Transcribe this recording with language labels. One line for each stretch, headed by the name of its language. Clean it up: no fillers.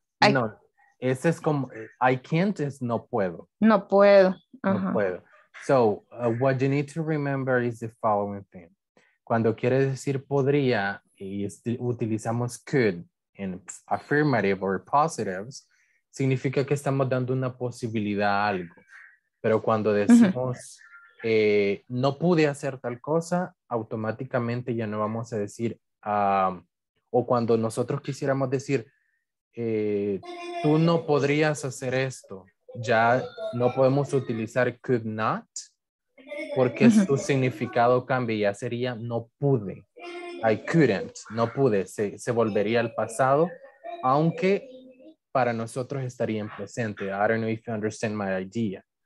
Spanish: No, ese es como
English: I can't
Spanish: es no puedo. No puedo. Uh-huh. No puedo.
English: So, what you need to remember is the following thing.
Spanish: Cuando quiere decir podría, utilizamos could
English: in affirmative or positives,
Spanish: significa que estamos dando una posibilidad a algo. Pero cuando decimos uh-huh. No pude hacer tal cosa, automáticamente ya no vamos a decir, o cuando nosotros quisiéramos decir, tú no podrías hacer esto. Ya no podemos utilizar could not porque su significado cambia. Ya sería no pude.
English: I couldn't.
Spanish: No pude. Se volvería al pasado, aunque para nosotros estaría en presente.
English: I don't know if you understand my idea.